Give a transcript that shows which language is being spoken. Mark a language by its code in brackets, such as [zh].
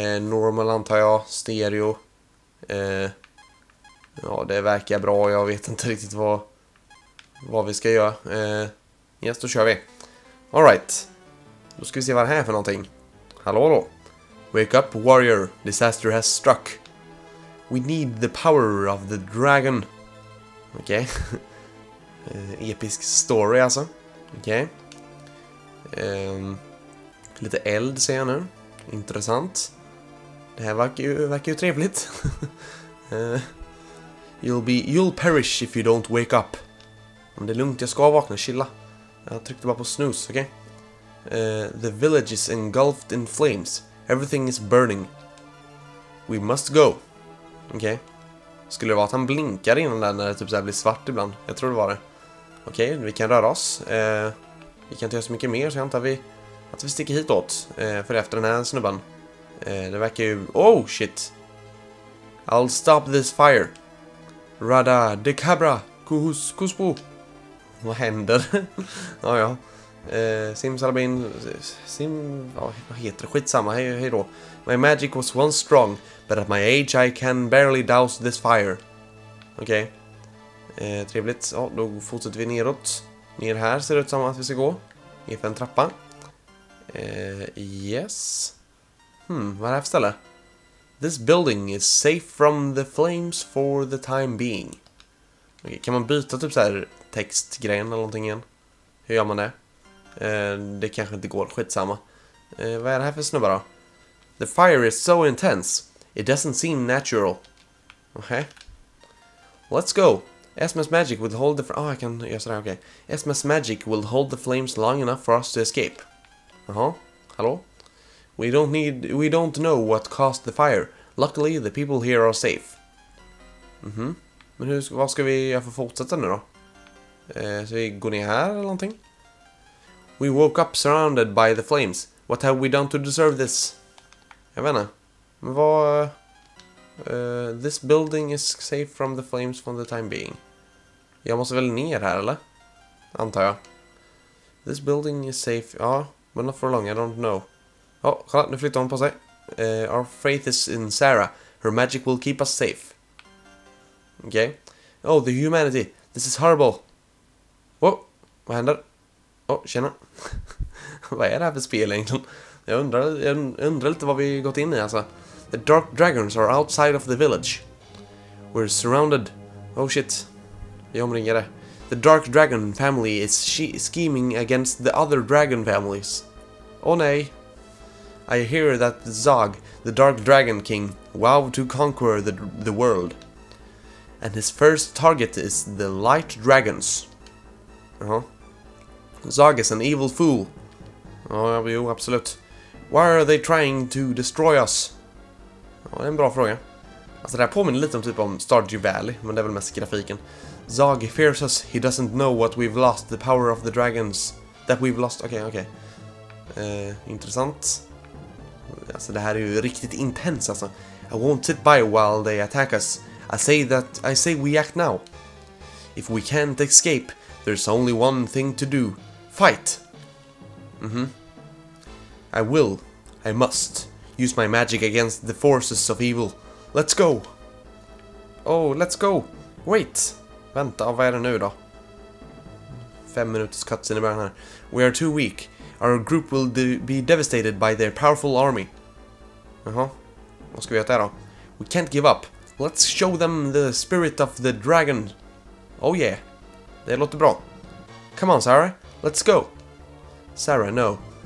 [sv] Normal antar jag. Stereo. Ja, det verkar bra. Jag vet inte riktigt vad vi ska göra. Yes, då kör vi. All right. Då ska vi se vad det här är för någonting. Hallå, hallå. [en] Wake up, warrior. Disaster has struck. We need the power of the dragon. [sv] Okej. Okay. Episk story alltså. Okej. Lite eld ser jag nu. Intressant. Det här verkar ju trevligt. [en] You'll perish if you don't wake up. [sv] Om det är lugnt, jag ska vakna, chilla. Jag tryckte bara på snooze, okej. [en] The village is engulfed in flames. Everything is burning. We must go. Okej. [sv] Skulle det vara att han blinkar innan där när det typ så här blir svart ibland? Jag tror det var det. Okej, vi kan röra oss. Vi kan inte göra så mycket mer, så jag antar att vi sticker hitåt. För efter den här snubban. Det verkar ju... [en] Oh, shit! I'll stop this fire. [sv] Rada de cabra. Kuspo. Vad händer? Ja. Simsalabin. Vad heter det? Skitsamma. Hej då. [en] My magic was once strong, but at my age I can barely douse this fire. Okej. Okay. [sv] Trevligt, ja, då fortsätter vi neråt. Ner här ser det ut som att vi ska gå. Ner för en trappa. Yes. Vad är det här för ställe? [en] This building is safe from the flames for the time being. [sv] Okay, kan man byta typ så här textgrejen eller någonting igen? Hur gör man det? Det kanske inte går, skitsamma. Vad är det här för snubbar då? [en] The fire is so intense. It doesn't seem natural. Okej. Okay. Let's go. SMS Magic will hold the... Oh, I can... Yes, sorry, okay. SMS Magic will hold the flames long enough for us to escape. Uh-huh. Hello? We don't know what caused the fire. Luckily, the people here are safe. Mm-hmm. [sv] Men vad ska vi göra för att fortsätta nu då? Ska vi gå ner här eller någonting? [en] We woke up surrounded by the flames. What have we done to deserve this? [sv] Jag vet inte. Men vad... [en] this building is safe from the flames for the time being. [sv] Jag måste väl ner här, eller? Antar jag. [en] This building is safe. Ja, but not for long, I don't know. [sv] Ja, oh, kolla, nu flyttar hon på sig. [en] Our faith is in Sarah. Her magic will keep us safe. Okej. Okay. Oh, the humanity. This is horrible. Oh, [sv] vad händer? Oh, tjena. Vad är det här för spel egentligen? Jag undrar lite vad vi gått in i, alltså. [en] The dark dragons are outside of the village. We're surrounded. Oh shit. [sv] Vi omringar det. [en] The dark dragon family is scheming against the other dragon families. Oh nej. I hear that Zog, the dark dragon king, vowed to conquer the world. And his first target is the light dragons. Uh-huh. Zog is an evil fool. [sv] Oh, jo, absolut. [en] Why are they trying to destroy us? [sv] Ja, det är en bra fråga. Alltså det här påminner lite om typ om Stardew Valley, men det är väl mest grafiken. [en] Zog fears us, he doesn't know what we've lost, the power of the dragons. That we've lost, okej. Intressant. [sv] Alltså det här är ju riktigt intens alltså. [en] I won't sit by while they attack us. I say we act now. If we can't escape, there's only one thing to do. Fight! Mm-hmm. I will. I must. Use my magic against the forces of evil. Let's go! Oh, let's go! Wait! [sv] Vänta, vad är det nu då? 5 minuters cutscene bara här. [en] We are too weak. Our group will be devastated by their powerful army. [sv] Jaha. Vad ska vi göra då? [en] We can't give up. Let's show them the spirit of the dragon. Oh yeah. [sv] Det låter bra. [en] Come on, Sarah. Let's go. Sarah, no.